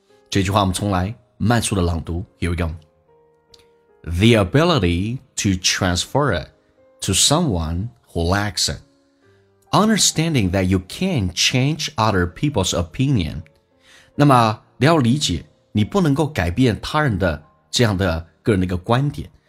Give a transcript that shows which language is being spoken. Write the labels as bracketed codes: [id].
[zh] 这句话我们重来，慢速的朗读。 [en] Here we go. The ability to transfer it to someone who lacks it. Understanding that you can change other people's opinion. [zh] 那么你要理解，你不能够改变他人的这样的个人的一个观点。